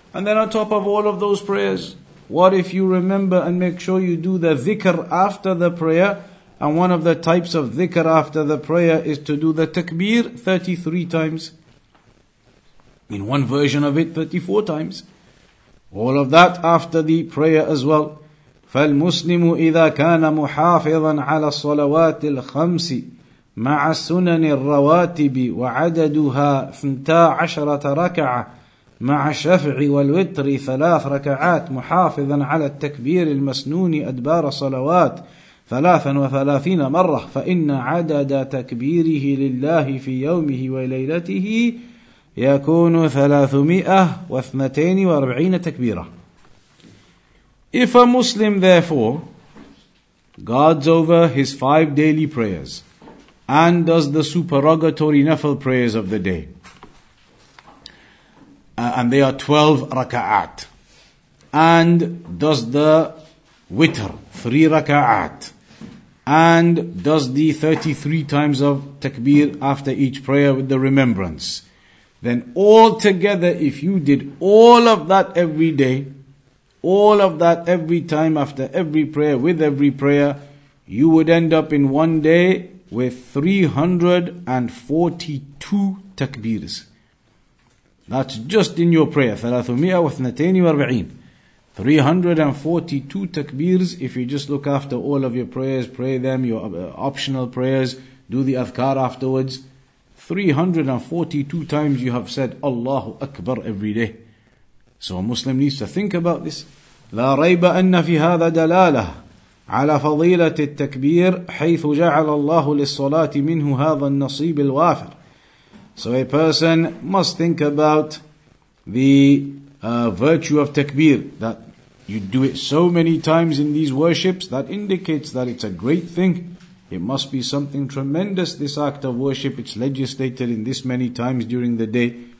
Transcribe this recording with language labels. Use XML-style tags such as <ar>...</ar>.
<en>And then on top of all of those prayers, what if you remember and make sure you do the dhikr after the prayer, and one of the types of dhikr after the prayer is to do the takbir 33 times. In one version of it, 34 times. All of that after the prayer as well.</en> <ar>فَالْمُسْلِمُ إِذَا كَانَ مُحَافِظًا عَلَى الصَّلَوَاتِ الْخَمْسِ مع سنن الرواتب وعددها 12 ركعة مع الشفع والوتر 3 ركعات محافظا على التكبير المسنون أدبار الصلوات 33 مرة فإن عدد تكبيره لله في يومه وليلته يكون 342 تكبيرة.</ar> <en>If a Muslim therefore guards over his 5 daily prayers and does the supererogatory nafil prayers of the day, and they are 12 raka'at, and does the witr, 3 raka'at, and does the 33 times of takbir after each prayer with the remembrance, then all together, if you did all of that every day, all of that every time after every prayer, with every prayer, you would end up in one day with 342 takbirs. That's just in your prayer. 342 takbirs, if you just look after all of your prayers, pray them, your optional prayers, do the adhkar afterwards. 342 times you have said Allahu Akbar every day. So a Muslim needs to think about this.</en> <ar>لا ريب أن في هذا دلالة على فضيلة التكبير حيث جعل الله للصلاة منه هذا النصيب الوافر.</ar> <en>So a person must think about the virtue of takbir, that you do it so many times in these worships, that indicates that it's a great thing. It must be something tremendous, this act of worship. It's legislated in this many times during the day.</en>